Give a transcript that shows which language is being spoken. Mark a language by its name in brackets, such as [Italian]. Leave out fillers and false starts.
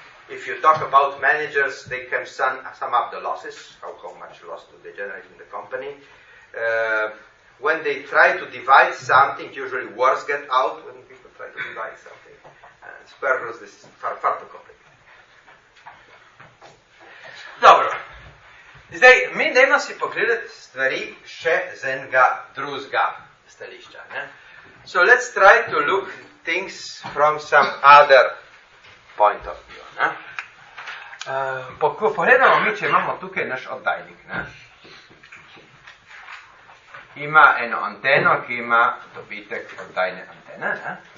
[English] If you talk about managers, they can sum up the losses, how much loss do they generate in the company. When they try to divide something, usually words get out when people try to divide something. And square roots is far too complicated. [Slovenian] Dobro. Zdaj, mi dajmo si pogledati stvari še z enega drugega stališča. Ne? [English] So let's try to look things from some other point of view. [Slovenian] Ne? Pogledamo mi, če imamo tukaj naš oddajnik. Ne? Ima eno anteno, ki ima dobitek oddajne antene. Ne?